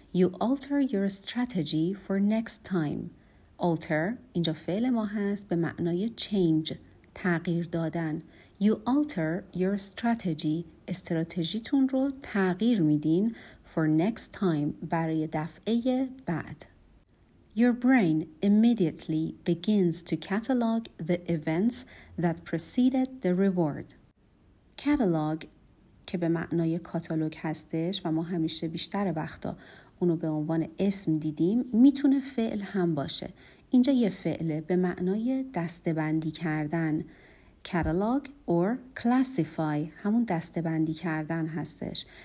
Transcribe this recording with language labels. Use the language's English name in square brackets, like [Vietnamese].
[English] you alter your strategy for next time. [Persian] alter اینجا فعل ما هست به معنای change، تغییر دادن. [English] you alter your strategy، [Persian] استراتژیتون رو تغییر میدین. [English] for next time، [Persian] برای دفعه بعد. [English] your brain immediately begins to catalog the events that preceded the reward. [Persian] catalog که به معنای کاتالوگ هستش و ما همیشه بیشتر وقتا اونو به عنوان اسم دیدیم، میتونه فعل هم باشه. اینجا یه فعله به معنای دسته‌بندی کردن. catalog or classify همون دسته‌بندی کردن هستش.